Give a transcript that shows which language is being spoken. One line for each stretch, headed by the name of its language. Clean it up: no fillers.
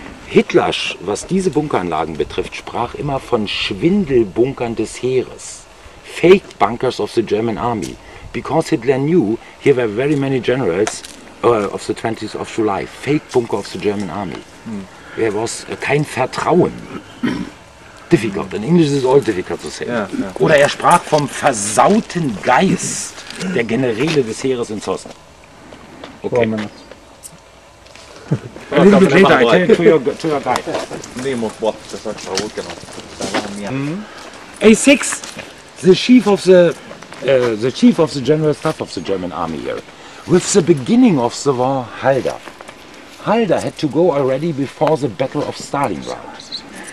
German: Hitler, was diese Bunkeranlagen betrifft, sprach immer von Schwindelbunkern des Heeres.
English: Fake bunkers of the German army. Because Hitler knew here were very many generals of the 20th of July. Fake bunker of the German army. There was
German: kein Vertrauen.
English: Difficult. In English is all difficult to say. Yeah, yeah.
German: Oder sprach vom versauten Geist der Generäle des Heeres in Zossen.
English: Okay. Oh, a little bit later, I tell it to your guy. Name of what? That's what I'm working on. A6, the chief of the general staff of the German army here. With the beginning of the war, Halder. Halder had to go already before the Battle of Stalingrad.